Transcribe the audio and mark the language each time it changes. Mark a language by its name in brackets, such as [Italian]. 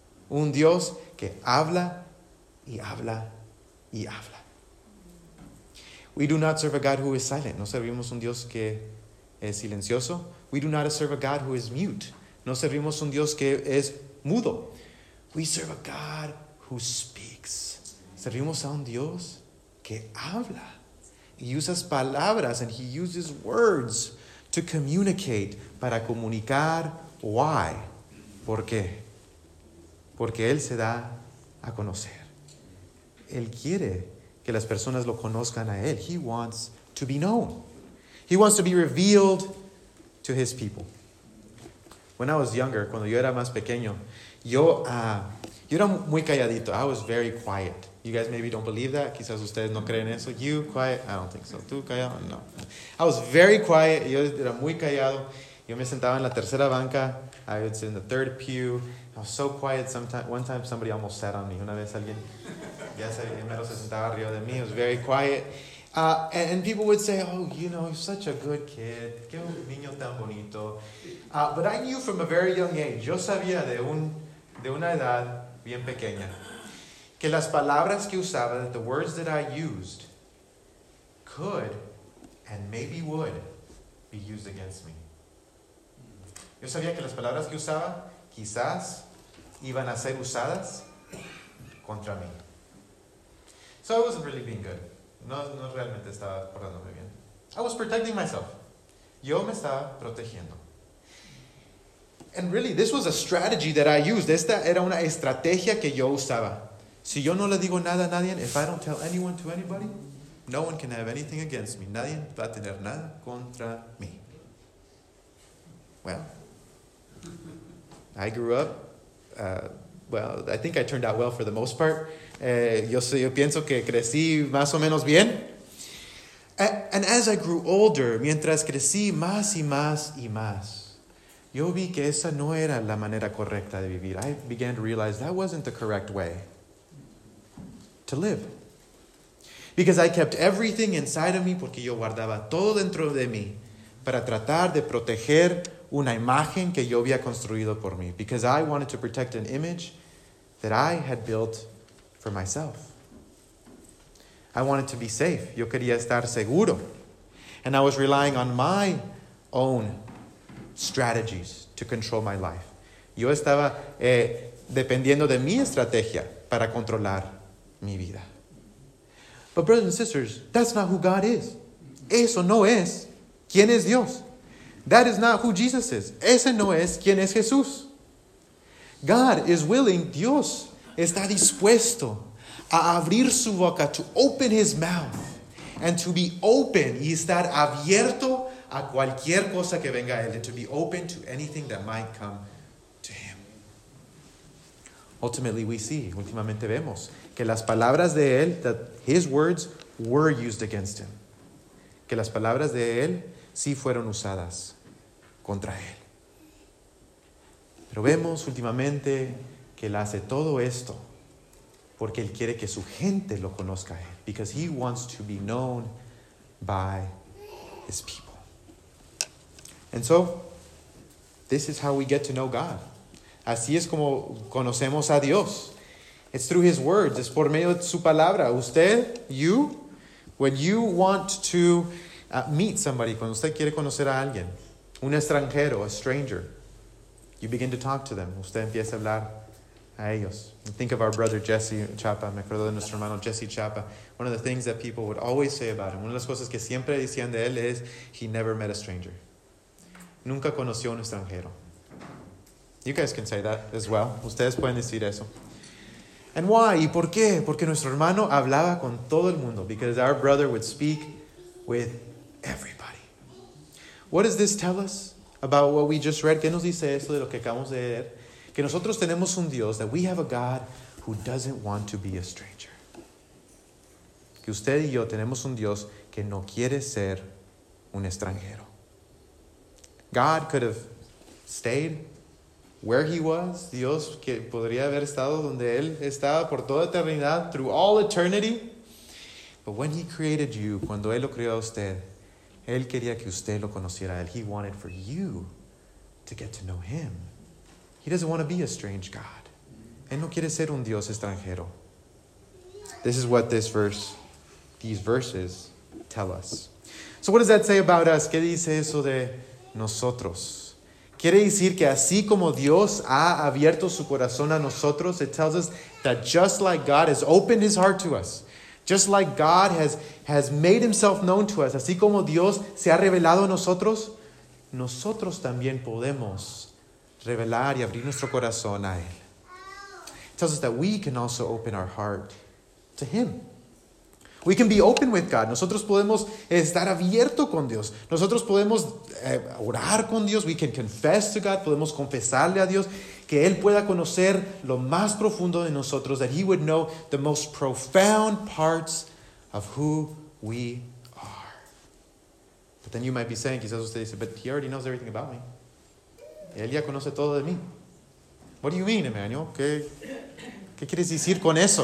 [Spanish] Un Dios que habla y habla y habla. [English] We do not serve a God who is silent. [Spanish] No servimos un Dios que es silencioso. [English] We do not serve a God who is mute. [Spanish] No servimos un Dios que es mudo. [English] We serve a God who speaks. [Spanish] Servimos a un Dios que habla. [English] He uses [Spanish] palabras [English] and he uses words to communicate, [Spanish] para comunicar. [English] Why? [Spanish] ¿Por qué? Porque Él se da a conocer. Él quiere que las personas lo conozcan a Él. [English] He wants to be known. He wants to be revealed to His people. When I was younger, [Spanish] cuando yo era más pequeño, yo era muy calladito. [English] I was very quiet. You guys maybe don't believe that. [Spanish] Quizás ustedes no creen eso. [English] You quiet? I don't think so. [Spanish] ¿Tú callado? No. [English] I was very quiet. [Spanish] Yo era muy callado. Yo me sentaba en la tercera banca. [English] I would sit in the third pew. I was so quiet. One time somebody almost sat on me. [Spanish] Una vez alguien ya se sentaba arriba de mí. [English] It was very quiet. And people would say, oh, you know, you're such a good kid. [Spanish] Qué un niño tan bonito. [English] But I knew from a very young age. [Spanish] Yo sabía de una edad bien pequeña que las palabras que usaba, [English] that the words that I used could and maybe would be used against me. [Spanish] Yo sabía que las palabras que usaba quizás iban a ser usadas contra mí. [English] So I wasn't really being good. [Spanish] No realmente estaba portándome bien. [English] I was protecting myself. [Spanish] Yo me estaba protegiendo. [English] And really, this was a strategy that I used. [Spanish] Esta era una estrategia que yo usaba. Si yo no le digo nada a nadie, [English] if I don't tell anyone to anybody, no one can have anything against me. [Spanish] Nadie va a tener nada contra mí. [English] Well, I grew up, I think I turned out well for the most part. [Spanish] Yo pienso que crecí más o menos bien. [English] And as I grew older, [Spanish] mientras crecí más y más y más, yo vi que esa no era la manera correcta de vivir. [English] I began to realize that wasn't the correct way to live. Because I kept everything inside of me, [Spanish] porque yo guardaba todo dentro de mí para tratar de proteger una imagen que yo había construido por mí. [English] Because I wanted to protect an image that I had built for myself. I wanted to be safe. [Spanish] Yo quería estar seguro. [English] And I was relying on my own strategies to control my life. [Spanish] Yo estaba dependiendo de mi estrategia para controlar mi vida. [English] But brothers and sisters, that's not who God is. [Spanish] Eso no es quién es Dios. [English] That is not who Jesus is. [Spanish] Ese no es quien es Jesús. [English] God is willing, [Spanish] Dios está dispuesto a abrir su boca, [English] to open his mouth, and to be open [Spanish] y estar abierto a cualquier cosa que venga a él, [English] and to be open to anything that might come to him. Ultimately, we see, [Spanish] últimamente vemos, que las palabras de él, [English] that his words were used against him. [Spanish] Que las palabras de él sí fueron usadas contra él. Pero vemos últimamente que él hace todo esto porque él quiere que su gente lo conozca a él. [English] Because he wants to be known by his people. And so, this is how we get to know God. [Spanish] Así es como conocemos a Dios. [English] It's through his words. [Spanish] Es por medio de su palabra. Usted, [English] you, when you want to meet somebody, [Spanish] cuando usted quiere conocer a alguien, un extranjero, [English] a stranger, you begin to talk to them. [Spanish] Usted empieza a hablar a ellos. [English] Think of our brother Jesse Chapa. [Spanish] Me acuerdo de nuestro hermano Jesse Chapa. [English] One of the things that people would always say about him, [Spanish] una de las cosas que siempre decían de él es, [English] he never met a stranger. [Spanish] Nunca conoció un extranjero. [English] You guys can say that as well. [Spanish] Ustedes pueden decir eso. [English] And why? [Spanish] ¿Y por qué? Porque nuestro hermano hablaba con todo el mundo. [English] Because our brother would speak with everybody. What does this tell us about what we just read? [Spanish] ¿Qué nos dice esto de lo que acabamos de leer? Que nosotros tenemos un Dios, [English] that we have a God who doesn't want to be a stranger. [Spanish] Que usted y yo tenemos un Dios que no quiere ser un extranjero. [English] God could have stayed where he was. [Spanish] Dios que podría haber estado donde él estaba por toda eternidad, [English] through all eternity. But when he created you, [Spanish] cuando él lo creó a usted, él quería que usted lo conociera. [English] He wanted for you to get to know him. He doesn't want to be a strange God. [Spanish] Él no quiere ser un Dios extranjero. [English] This is what this verse, these verses tell us. So what does that say about us? [Spanish] ¿Qué dice eso de nosotros? Quiere decir que así como Dios ha abierto su corazón a nosotros, [English] it tells us that just like God has opened his heart to us, [Spanish] just like God has made himself known to us, así como Dios se ha revelado a nosotros, nosotros también podemos revelar y abrir nuestro corazón a él. [English] It tells us that we can also open our heart to him. We can be open with God. [Spanish] Nosotros podemos estar abierto con Dios. Nosotros podemos orar con Dios. [English] We can confess to God. [Spanish] Podemos confesarle a Dios. Que Él pueda conocer lo más profundo de nosotros. [English] That he would know the most profound parts of who we are. But then you might be saying, [Spanish] quizás usted dice, [English] but he already knows everything about me. [Spanish] Él ya conoce todo de mí. [English] What do you mean, Emmanuel? [Spanish] ¿Qué quieres decir con eso?